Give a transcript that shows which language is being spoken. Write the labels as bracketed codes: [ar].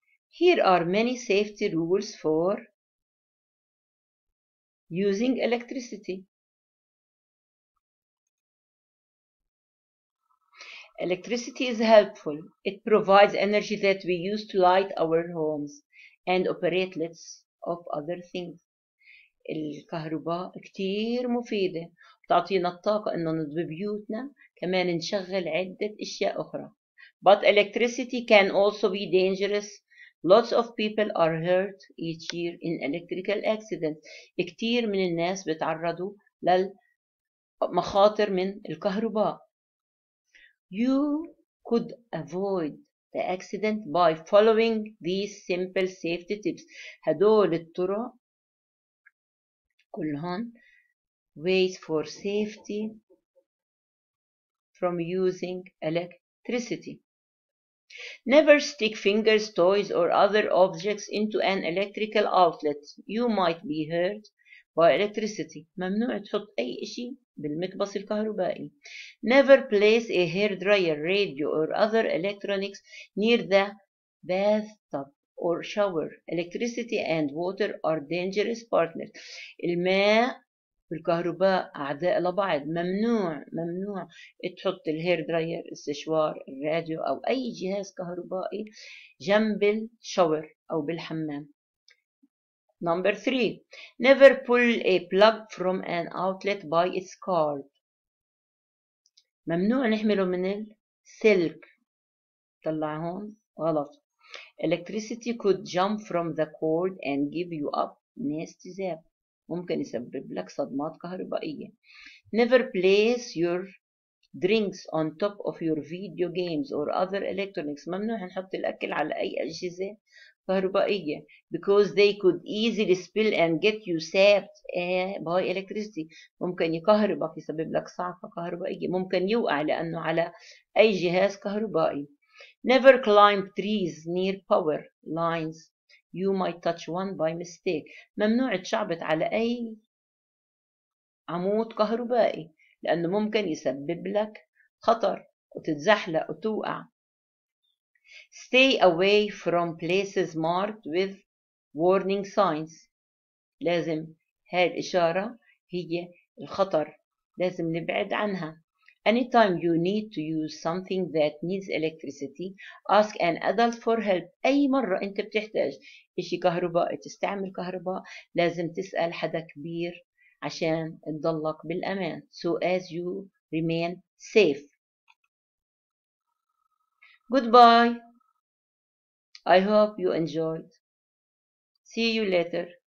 [en] Here are many safety rules for using electricity. Electricity is helpful. It provides energy that we use to light our homes and operate lots of other things. [ar] الكهرباء كتير مفيدة، بتعطينا الطاقة إنه نضوي بيوتنا، كمان نشغل عدة أشياء أخرى. [en] But electricity can also be dangerous. Lots of people are hurt each year in electrical accidents. [ar] كتير من الناس بتعرضوا للمخاطر من الكهرباء. [en] You could avoid the accident by following these simple safety tips. [ar] هدول الطرق كلهم [en] ways for safety from using electricity. Never stick fingers, toys, or other objects into an electrical outlet. You might be hurt by electricity. [ar] ممنوع تحط أي إشي بالمقبس الكهربائي. [en] Never place a hair dryer, radio, or other electronics near the bathtub or shower. Electricity and water are dangerous partners. [ar] الماء والكهرباء أعداء لبعض. ممنوع ممنوع تحط الهير دراير السشوار الراديو أو أي جهاز كهربائي جنب الشاور أو بالحمام. [en] Number three, never pull a plug from an outlet by its cord. [ar] ممنوع نحمله من السلك. طلع هون غلط. [en] Electricity could jump from the cord and give you a nasty zap. [ar] ممكن يسبب لك صدمات كهربائية. [en] Never place your drinks on top of your video games or other electronics. [ar] ممنوع نحط الأكل على أي أجهزة كهربائية. [en] Because they could easily spill and get you sapped by electricity. [ar] ممكن يكهربك يسبب لك صعقة كهربائية. ممكن يوقع لأنه على أي جهاز كهربائي. [en] Never climb trees near power lines. You might touch one by mistake. [ar] ممنوع تشعبط على أي عمود كهربائي لأنه ممكن يسبب لك خطر وتتزحلق وتوقع. [en] Stay away from places marked with warning signs. [ar] لازم هاي الإشارة هي الخطر. لازم نبعد عنها. [en] Anytime you need to use something that needs electricity, ask an adult for help. [ar] أي مرة أنت بتحتاج إشي كهرباء تستعمل كهرباء لازم تسأل حدا كبير عشان تضلك بالأمان. [en] So as you remain safe. Goodbye. I hope you enjoyed. See you later.